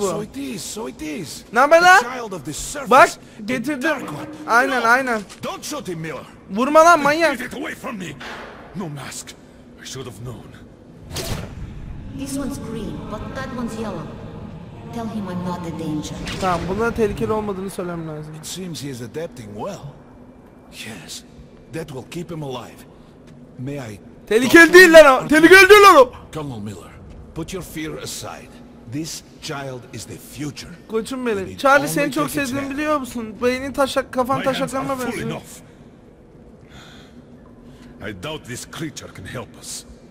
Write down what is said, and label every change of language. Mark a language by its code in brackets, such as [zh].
[en] So it is, so it is. [tr] Ne be lan? Bak, getirdim. Aynen, aynen. [en] Don't shoot him, Miller. [tr] Vurma lan, manyak. [en] Get it away from me. No mask. I should have known. This one's green, but that one's yellow. Tell him I'm not a danger. [tr] Tamam, bunlara tehlikeli olmadığını söylemem lazım. [en] It seems he is adapting well. Yes, that will keep him alive. May I? [tr] Tehlikeli değil lan o. Tehlikeli değil lan o. [en] Come on, Miller. Put your fear aside. This child is the future. [tr] Koçum benim. Charlie seni çok sevdiğimi biliyor musun? Beynin taşak, kafan taşaklanma benziyor. [en] I doubt this creature can help us.